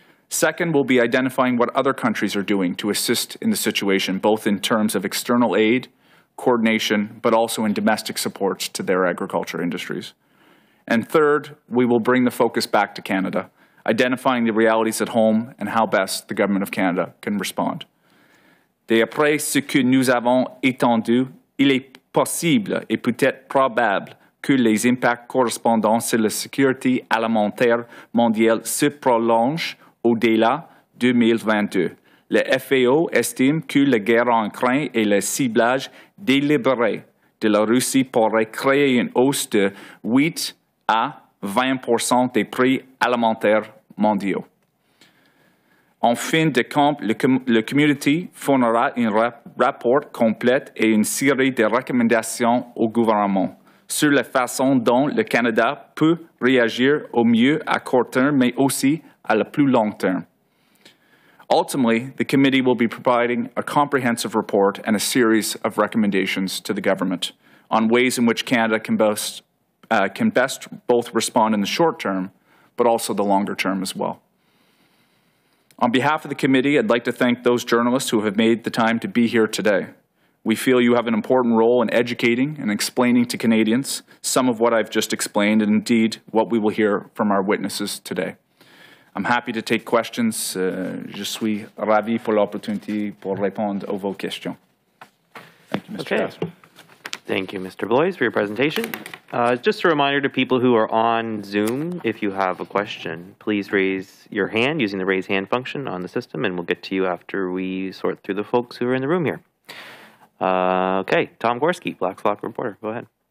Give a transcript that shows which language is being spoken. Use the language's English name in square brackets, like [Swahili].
[English] Second, we'll be identifying what other countries are doing to assist in the situation, both in terms of external aid, coordination, but also in domestic supports to their agriculture industries. And third, we will bring the focus back to Canada, identifying the realities at home and how best the Government of Canada can respond. [French] D'après ce que nous avons entendu, il est possible et peut-être probable que les impacts correspondants sur la sécurité alimentaire mondiale se prolongent au-delà 2022. Le FAO estime que la guerre en Ukraine et le ciblage délibéré de la Russie pourraient créer une hausse de 8 à 20% des prix alimentaires mondiaux. En fin de compte, le community fournira un rapport complet et une série de recommandations au gouvernement sur la façon dont le Canada peut réagir au mieux à court terme, mais aussi à la plus long terme. [English] Ultimately, the committee will be providing a comprehensive report and a series of recommendations to the government on ways in which Canada can best both respond in the short term, but also the longer term as well. On behalf of the committee, I'd like to thank those journalists who have made the time to be here today. We feel you have an important role in educating and explaining to Canadians some of what I've just explained and indeed what we will hear from our witnesses today. I'm happy to take questions. [French] Je suis ravi pour l'opportunité pour répondre à vos questions. [English] Thank you, Mr. Okay. Thank you, Mr. Blois, for your presentation. Just a reminder to people who are on Zoom, if you have a question, please raise your hand using the raise hand function on the system, and we'll get to you after we sort through the folks who are in the room here. Okay, Tom Gorski, Black Flock Reporter, go ahead.